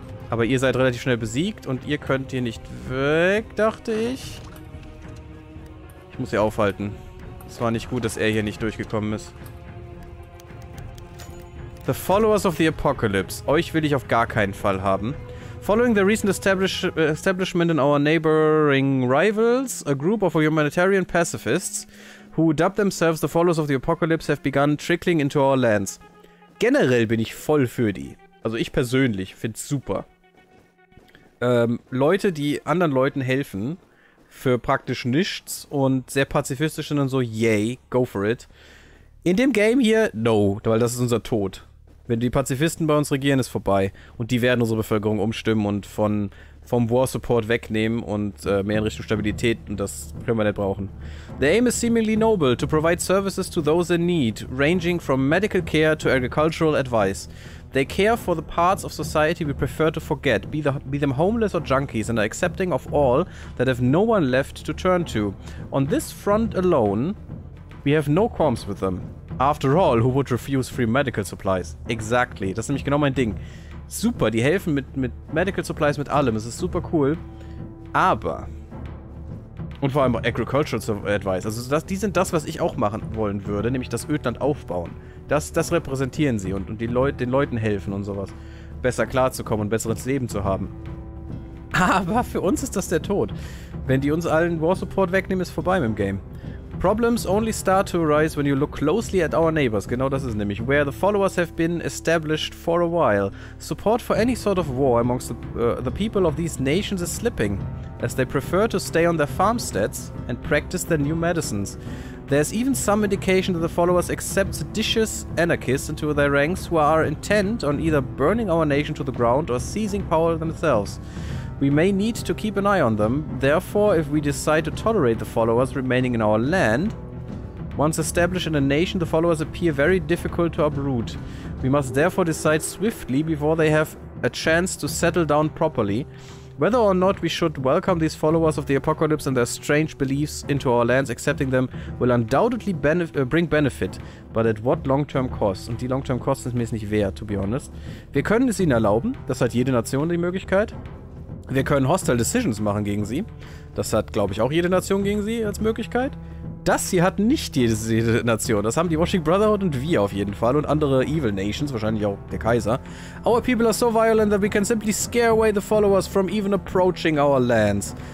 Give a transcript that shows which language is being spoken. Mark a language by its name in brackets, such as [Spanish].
[German] Aber ihr seid relativ schnell besiegt und ihr könnt hier nicht weg, dachte ich. Ich muss hier aufhalten. Es war nicht gut, dass er hier nicht durchgekommen ist. The Followers of the Apocalypse. Euch will ich auf gar keinen Fall haben. [English] Following the recent establishment in our neighboring rivals, a group of humanitarian pacifists, who dubbed themselves the Followers of the Apocalypse, have begun trickling into our lands. [German] Generell bin ich voll für die. Also ich persönlich finde es super. Leute, die anderen Leuten helfen, für praktisch nichts und sehr pazifistisch sind und so, [English] yay, go for it. [German] In dem Game hier, no, weil das ist unser Tod. Wenn die Pazifisten bei uns regieren, ist vorbei. Und die werden unsere Bevölkerung umstimmen und vom War Support wegnehmen und mehr in Richtung Stabilität, und das können wir nicht brauchen. [English] The aim is seemingly noble, to provide services to those in need, ranging from medical care to agricultural advice. They care for the parts of society we prefer to forget, be them homeless or junkies, and are accepting of all that have no one left to turn to. On this front alone, we have no qualms with them. After all, who would refuse free medical supplies? [German] Exactly. Das ist nämlich genau mein Ding. Super, die helfen mit Medical Supplies, mit allem. Es ist super cool. Aber, und vor allem Agricultural Advice. Also die sind das, was ich auch machen wollen würde, nämlich das Ödland aufbauen. Das repräsentieren sie und den Leuten helfen und sowas, besser klarzukommen und besseres Leben zu haben. Aber für uns ist das der Tod. Wenn die uns allen War Support wegnehmen, ist vorbei mit dem Game. [English] Problems only start to arise when you look closely at our neighbors. [German] Genau das ist nämlich. [English] Where the followers have been established for a while. Support for any sort of war amongst the people of these nations is slipping, as they prefer to stay on their farmsteads and practice their new medicines. There's even some indication that the followers accept seditious anarchists into their ranks who are intent on either burning our nation to the ground or seizing power themselves. We may need to keep an eye on them. Therefore, if we decide to tolerate the followers remaining in our land, once established in a nation, the followers appear very difficult to uproot. We must therefore decide swiftly before they have a chance to settle down properly. Whether or not we should welcome these followers of the apocalypse and their strange beliefs into our lands, accepting them will undoubtedly bring benefit, but at what long-term cost? [German] Und die long-term cost ist mir nicht wert, [English] to be honest. [German] Wir können es ihnen erlauben, das hat jede Nation die Möglichkeit. Wir können Hostile Decisions machen gegen sie. Das hat, glaube ich, auch jede Nation gegen sie als Möglichkeit. Das hier hat nicht jede Nation. Das haben die Washing Brotherhood und wir auf jeden Fall. Und andere Evil Nations, wahrscheinlich auch der Kaiser. [English] Our people are so violent that we can simply scare away the followers from even approaching our lands.